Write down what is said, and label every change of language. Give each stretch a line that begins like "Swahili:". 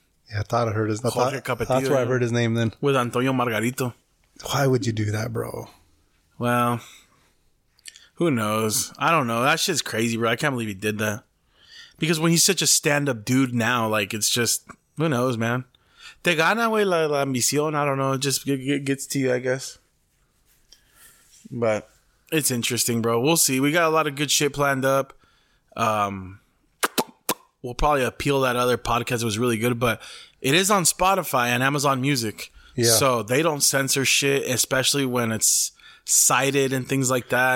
English: Yeah, I thought I heard his name. Jorge Capetillo. That's where I heard his name then. With Antonio Margarito. Why would you do that, bro? Well, who knows? I don't know. That shit's crazy, bro. I can't believe he did that. Because when he's such a stand-up dude now, like, it's just... Who knows, man?
Spanish: Te gana, güey, la ambición.
English: I don't know. It just gets to you, I guess. But it's interesting, bro. We'll see. We got a lot of good shit planned up. We'll probably appeal that other podcast. It was really good, but it is on Spotify and Amazon Music. Yeah. So they don't censor shit, especially when it's cited and things like that.